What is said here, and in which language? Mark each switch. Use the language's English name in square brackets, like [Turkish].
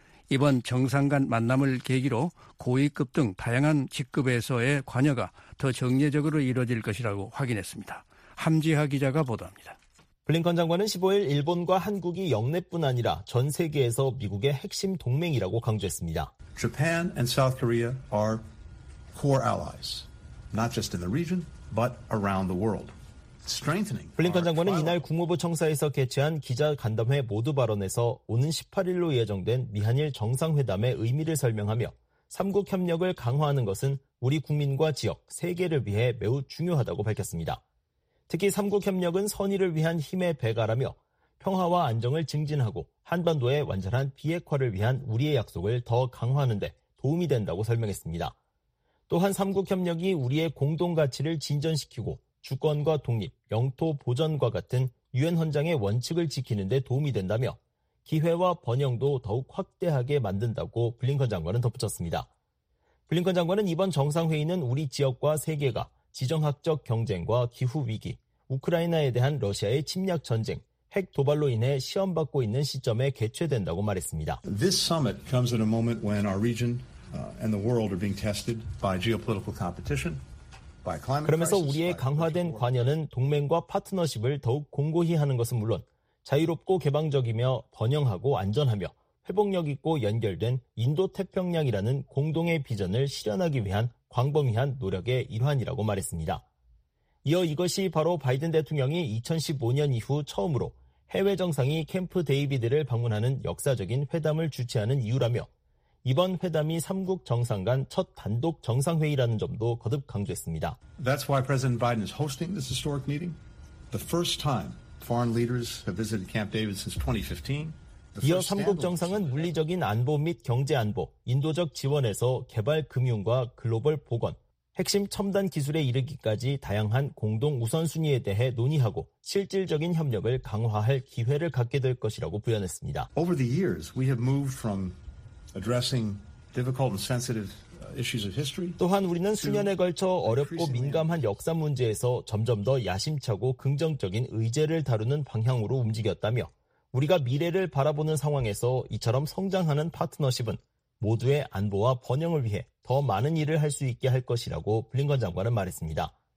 [Korean] 이번 정상 간 만남을 계기로 고위급 등 다양한 직급에서의 관여가 더 정례적으로 이루어질 것이라고 확인했습니다. 함지하 기자가 보도합니다. 블링컨 장관은 15일 일본과 한국이 역내뿐 아니라 전 세계에서 미국의 핵심 동맹이라고 강조했습니다. [English] Japan and South Korea are core allies, not just in the region, but around the world. [Korean] 블링컨 장관은 이날 국무부 청사에서 개최한 기자간담회 모두 발언에서 오는 18일로 예정된 미한일 정상회담의 의미를 설명하며 3국 협력을 강화하는 것은 우리 국민과 지역, 세계를 위해 매우 중요하다고 밝혔습니다. 특히 3국 협력은 선의를 위한 힘의 배가라며 평화와 안정을 증진하고 한반도의 완전한 비핵화를 위한 우리의 약속을 더 강화하는 데 도움이 된다고 설명했습니다. 또한 3국 협력이 우리의 공동가치를 진전시키고 주권과 독립, 영토 보전과 같은 유엔 헌장의 원칙을 지키는 데 도움이 된다며 기회와 번영도 더욱 확대하게 만든다고 블링컨 장관은 덧붙였습니다. 블링컨 장관은 이번 정상회의는 우리 지역과 세계가 지정학적 경쟁과 기후위기, 우크라이나에 대한 러시아의 침략 전쟁, 핵 도발로 인해 시험받고 있는 시점에 개최된다고 말했습니다. [English] This summit comes at a moment when our region and the world are being tested by geopolitical competition. [Korean] 그러면서 우리의 강화된 관여는 동맹과 파트너십을 더욱 공고히 하는 것은 물론 자유롭고 개방적이며 번영하고 안전하며 회복력 있고 연결된 인도태평양이라는 공동의 비전을 실현하기 위한 광범위한 노력의 일환이라고 말했습니다. 이어 이것이 바로 바이든 대통령이 2015년 이후 처음으로 해외 정상이 캠프 데이비드를 방문하는 역사적인 회담을 주최하는 이유라며 이번 회담이 3국 정상 간 첫 단독 정상회의라는 점도 거듭 강조했습니다. [English] That's why President Biden is hosting this historic meeting. The first time foreign leaders have visited Camp David since 2015. [Korean] 이어 3국 정상은 물리적인 안보 및 경제 안보, 인도적 지원에서 개발 금융과 글로벌 보건, 핵심 첨단 기술에 이르기까지 다양한 공동 우선순위에 대해 논의하고 실질적인 협력을 강화할 기회를 갖게 될 것이라고 부연했습니다. [English] Over the years, we have moved from addressing difficult and sensitive issues of history. [Korean] 또한 우리는 수년에 걸쳐 어렵고 민감한 역사 문제에서 점점 더 야심차고 긍정적인 의제를 다루는 방향으로 움직였다며 우리가 미래를 바라보는 상황에서 이처럼 성장하는 파트너십은 모두의 안보와 번영을 위해 더 많은 일을 할 수 있게 할 것이라고 블링컨 장관은 말했습니다.